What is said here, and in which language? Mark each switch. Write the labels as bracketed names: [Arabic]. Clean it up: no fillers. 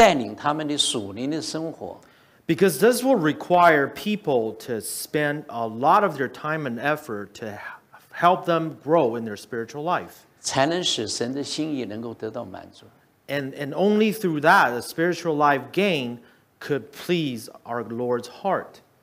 [Chinese] 这就需要有人要花大力气来带领他们的属灵的生活。 [English] Because this will require people to spend a lot of their time and effort to help them grow in their spiritual life. [Chinese] 才能使神的心意能够得到满足。 [English] And only through that, a spiritual life gain could please our Lord's heart.